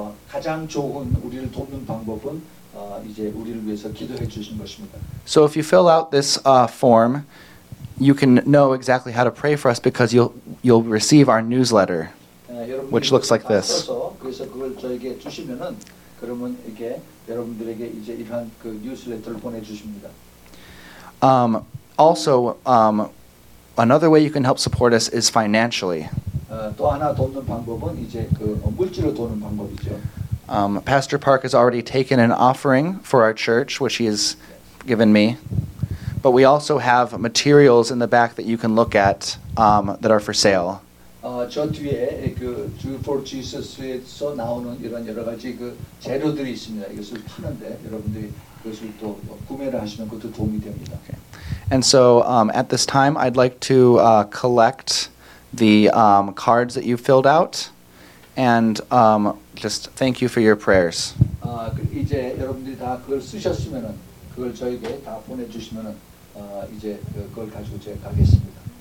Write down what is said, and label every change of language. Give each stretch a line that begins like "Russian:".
Korean: 가장 좋은 우리를 돕는 방법은 이제 우리를 위해서 기도해 주신 것입니다.
English: So if you fill out this form, you can know exactly how to pray for us because you'll receive our newsletter, which looks like this.
Korean: 그래서 그걸 저에게 주시면은 그러면 이게 여러분들에게 이제 이러한 그 뉴스레터를 보내 주십니다.
English: Also, another way you can help support us is financially.
Korean: 또 하나 돕는 방법은 이제 그 물질로 도는 방법이죠.
English: Pastor Park has already taken an offering for our church, which he has given me. But we also have materials in the back that you can look at that are for sale.
Korean: 저 뒤에 그 Do for Jesus에서 나오는 이런 여러 가지 그 재료들이 있습니다. 이것을 파는데 여러분들이 그것을 또 구매를 하시면 그것도 도움이 됩니다.
English: Okay. And so at this time, I'd like to collect the cards that you filled out and just thank you for your prayers.
Korean: 이제 여러분들이 다 그걸 쓰셨으면은 그걸 저에게 다 보내주시면은 이제 그걸 가지고 제가 가겠습니다.